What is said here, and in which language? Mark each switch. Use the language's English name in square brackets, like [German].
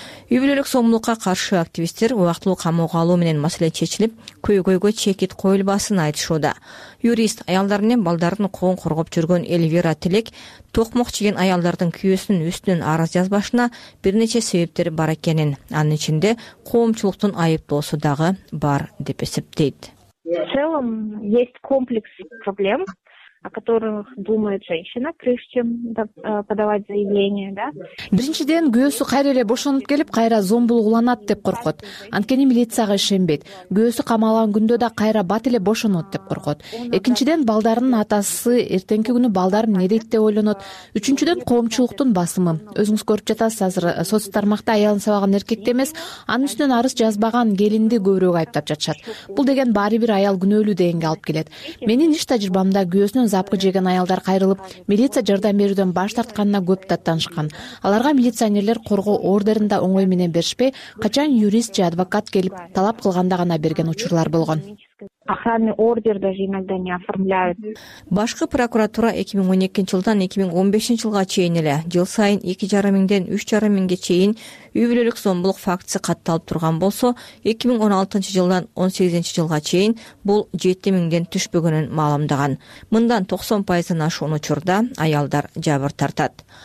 [Kyrgyz] Үй бүлөлүк зомбулукка каршы активисттер убактылуу камоого алуу менен маселе чечилип, көйгөйгө чекит коюлбасын айтышууда. Юрист аялдар менен балдардын укугун коргоп жүргөн Эльвира Тилек токмок чеген аялдардын күйөөсүнүн үстүнөн арыз жазбашына бир нече себептер бар экенин, анын ичинде коомчулуктун айыптоосу дагы бар деп эсептейт. [Russian] В целом есть комплекс проблем, о которых думает женщина, прежде чем подавать заявление, да? [Kyrgyz] Биринчиден күйөөсү кайра эле бошонуп келип, кайра зомбулук уланат деп коркот. Анткени милицияга ишенбейт. Күйөөсү камалган күндө да кайра бат эле бошонот деп коркот. Экинчиден балдарынын атасы эртеңки күнү балдар эмне дейт деп ойлонот. Үчүнчүдөн коомчулуктун басымы. Өзүңүз көрүп жатасыз, азыр соцтук тармакта аялын сабаган эркекте эмес, анын үстүнөн арыз жазбаган келинди көбүрөөк айыптап жатышат. Бул деген баары бир аял күнөөлүү дегенге алып келет. Менин иш тажрыйбамда күйөөсү запкы жеген аялдар кайрылып, милиция жардам берүүдөн баш тартканына көп даттанышкан. Аларга милиционерлер коргоо ордерин да оңой менен беришпей, качан юрист же адвокат келип талап кылганда гана берген учурлар болгон. [Russian] Охранный ордер даже иногда не оформляют. [Kyrgyz] Башкы прокуратура 2012 жылдан 2015 жылга чейин эле жыл сайын 2500-ден 3500 чейин үй бүлөлүк зомбулук фактысы катталып турган болсо, 2016 жылдан 18 жылга чейин бул 7000-ден түшпөгөнүн маалымдаган. Мындан 90% ашуун учурда аялдар жабыр тартат.